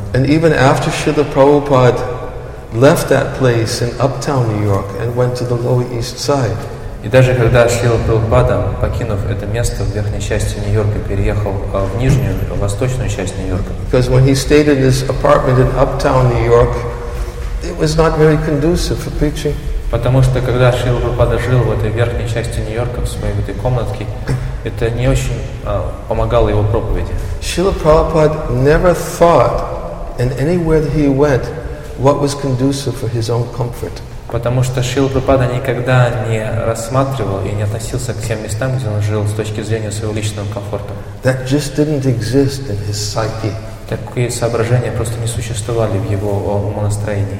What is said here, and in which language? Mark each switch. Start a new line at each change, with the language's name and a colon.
English: And even after Srila Prabhupada left that place in uptown New York and went to the Lower East Side.
Russian: И даже когда Шрила Прабхупада, покинув это место в верхней части Нью-Йорка, переехал в нижнюю, в восточную часть Нью-Йорка.
English: Because when he stayed in his apartment in uptown New York, it was not very conducive for preaching.
Russian: Потому что когда Шрила Прабхупада жил в этой верхней части Нью-Йорка, в своей этой комнатке, это не очень помогало его проповеди.
English: Шрила Прабхупада never thought, and anywhere that he went, what was conducive for his own comfort.
Russian: Потому что Шрила Прабхупада никогда не рассматривал и не относился к тем местам, где он жил, с точки зрения своего личного комфорта.
English: That just didn't exist in his psyche.
Russian: Такие соображения просто не существовали в его умонастроении.